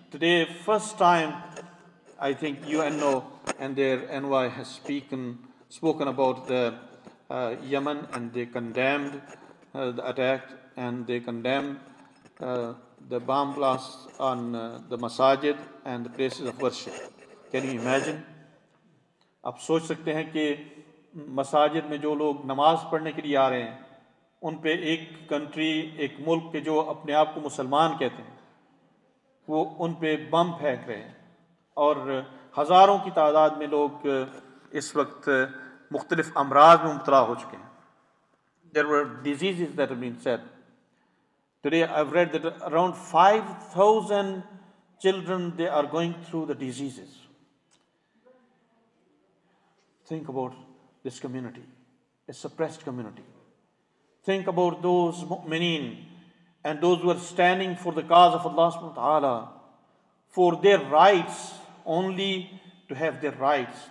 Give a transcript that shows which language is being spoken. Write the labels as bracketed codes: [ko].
[en] Today, first time, I think UNO and their NY has spoken about the Yemen, and they condemned the attack, and they condemned the bomb blasts on the masajid and the places of worship. Can you imagine? [ur] آپ سوچ سکتے ہیں کہ مساجد میں جو لوگ نماز پڑھنے کے لیے آ رہے ہیں ان پہ ایک کنٹری, ایک ملک کے جو اپنے آپ کو مسلمان کہتے ہیں, وہ ان پہ بم پھینک رہے ہیں, اور ہزاروں کی تعداد میں لوگ اس وقت مختلف امراض میں مبتلا ہو چکے ہیں. [en] There were diseases that have been said. Today I've read that around 5,000 children, they are going through the diseases. Think about this community, a suppressed community. Think about those mu'mineen and those who are standing for the cause of Allah subhanahu wa ta'ala, for their rights, only to have their rights.